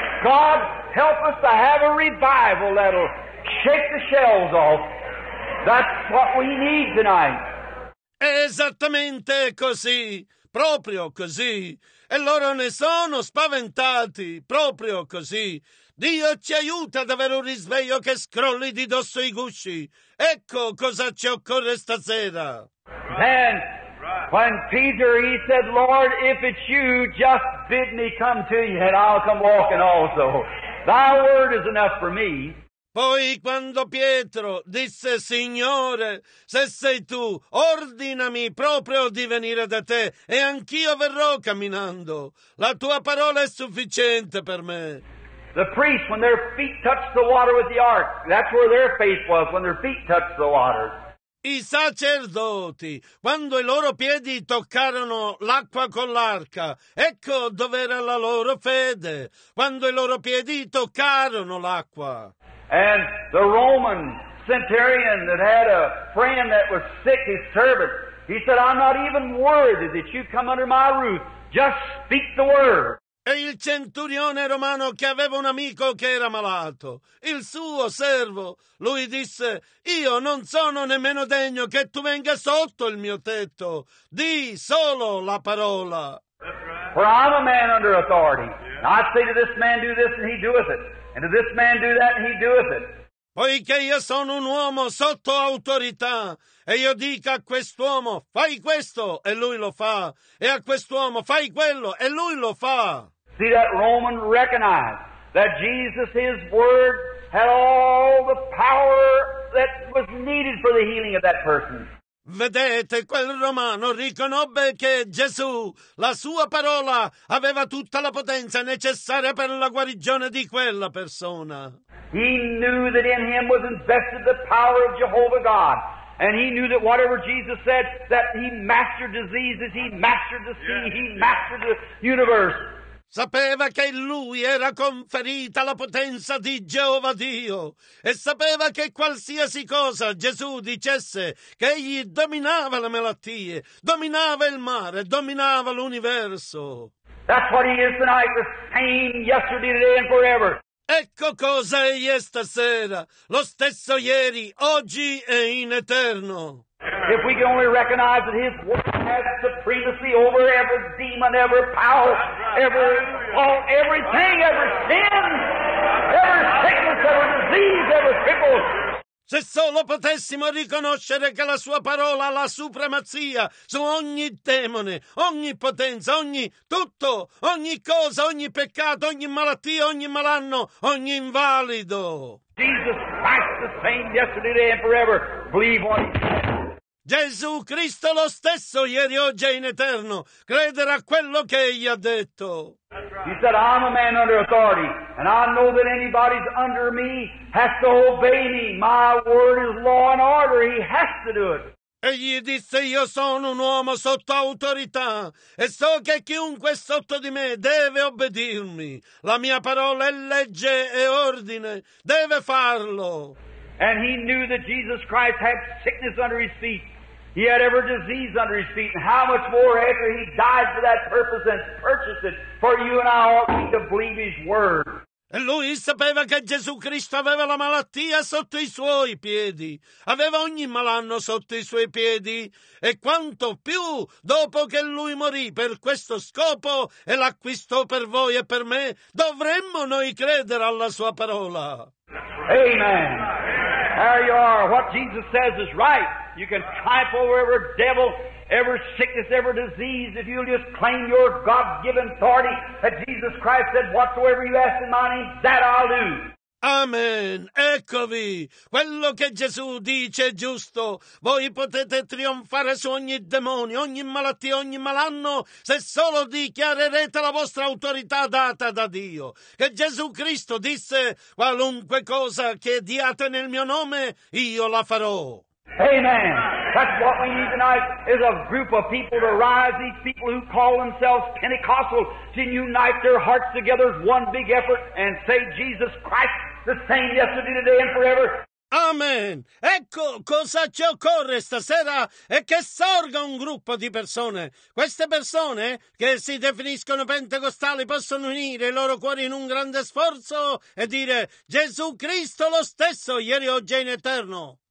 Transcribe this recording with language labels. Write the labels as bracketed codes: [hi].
[en] God help us to have a revival that'll shake the shells off. That's what we need tonight. [it] Esattamente così, proprio così. E loro ne sono spaventati, proprio così. Dio ci aiuta ad avere un risveglio che scrolli di dosso i gusci. Ecco cosa ci occorre stasera. [en] And when Peter, he said, Lord, if it's you, just bid me come to you, and I'll come walking also. Thy word is enough for me. [it] Poi quando Pietro disse, Signore, se sei tu, ordinami proprio di venire da te e anch'io verrò camminando. La tua parola è sufficiente per me. [en] The priests, when their feet touched the water with the ark, that's where their faith was, when their feet touched the water. [it] I sacerdoti, quando i loro piedi toccarono l'acqua con l'arca, ecco dov'era la loro fede, quando i loro piedi toccarono l'acqua. [en] And the Roman centurion that had a friend that was sick, his servant, he said, I'm not even worthy that you come under my roof. Just speak the word. [it] E il centurione romano che aveva un amico che era malato, il suo servo, lui disse, io non sono nemmeno degno che tu venga sotto il mio tetto. Di solo la parola. [en] For I'm a man under authority. I say to this man, do this, and he doeth it. And to this man do that, and he doeth it. [it] Poiché io sono un uomo sotto autorità, e io dico a quest'uomo, fai questo, e lui lo fa. E a quest'uomo, fai quello, e lui lo fa. [en] See, that Roman recognized that Jesus, his word, had all the power that was needed for the healing of that person. [it] Vedete, quel romano riconobbe che Gesù, la sua parola, aveva tutta la potenza necessaria per la guarigione di quella persona. [en] He knew that in him was invested the power of Jehovah God. And he knew that whatever Jesus said, that he mastered diseases, he mastered the sea, he mastered the universe. [it] Sapeva che in lui era conferita la potenza di Geova Dio e sapeva che qualsiasi cosa Gesù dicesse, che egli dominava le malattie, dominava il mare, dominava l'universo. [en] That's what he is tonight, the same yesterday, today and forever. [it] Ecco cosa egli è stasera, lo stesso ieri, oggi e in eterno. [en] If we can only recognize that his word has supremacy over every demon, every power, every all, everything, every sin, every sickness, every disease, every cripple. [it] Se solo potessimo riconoscere che la sua parola ha la supremazia su ogni demone, ogni potenza, ogni tutto, ogni cosa, ogni peccato, ogni malattia, ogni malanno, ogni invalido. [en] Jesus Christ the same yesterday, today and forever. Believe on him. [it] Gesù Cristo lo stesso ieri, oggi e in eterno. Credere a quello che egli ha detto. [en] He said, I'm a man under authority, and I know that anybody's under me has to obey me. My word is law and order. He has to do it. [it] Egli disse, io sono un uomo sotto autorità, e so che chiunque è sotto di me deve obbedirmi. La mia parola è legge e ordine. Deve farlo. [en] And he knew that Jesus Christ had sickness under his feet. He had every disease under his feet. And how much more after he died for that purpose and purchased it for you and I ought we to believe his word. [it] E lui sapeva che Gesù Cristo aveva la malattia sotto i suoi piedi. Aveva ogni malanno sotto i suoi piedi. E quanto più dopo che lui morì per questo scopo e l'acquistò per voi e per me, dovremmo noi credere alla sua parola. [en] Amen. There you are. What Jesus says is right. You can trample over every devil, every sickness, every disease, if you'll just claim your God-given authority that Jesus Christ said, whatsoever you ask in my name, that I'll do. [it] Amen. Eccovi. Quello che Gesù dice è giusto. Voi potete trionfare su ogni demonio, ogni malattia, ogni malanno, se solo dichiarerete la vostra autorità data da Dio. Che Gesù Cristo disse, qualunque cosa chiediate nel mio nome, io la farò. Amen. [en] That's what we need tonight, is a group of people to rise, these people who call themselves Pentecostal, to unite their hearts together as one big effort and say Jesus Christ the same yesterday, today and forever. Amen. [it] Ecco cosa ci occorre stasera, è che sorga un gruppo di persone. Queste persone che si definiscono pentecostali possono unire i loro cuori in un grande sforzo e dire Gesù Cristo lo stesso ieri, oggi e in eterno.